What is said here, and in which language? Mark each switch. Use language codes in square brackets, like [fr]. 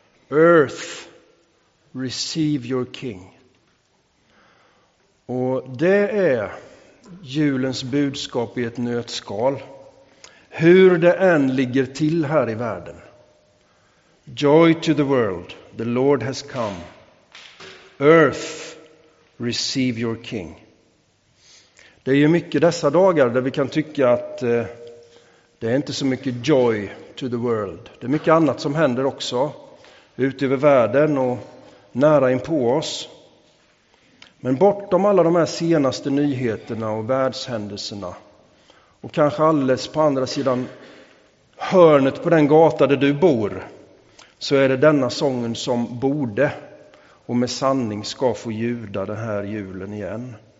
[en] Earth, receive your king. [sv] Och det är julens budskap i ett nötskal. Hur det än ligger till här i världen. [en] Joy to the world. The Lord has come. Earth, receive your king. [sv] Det är ju mycket dessa dagar där vi kan tycka att det är inte så mycket [en] joy to the world. [sv] Det är mycket annat som händer också, ute över världen och nära in på oss. Men bortom alla de här senaste nyheterna och världshändelserna, och kanske alldeles på andra sidan hörnet på den gata där du bor, så är det denna sången som borde och med sanning ska få ljuda den här julen igen.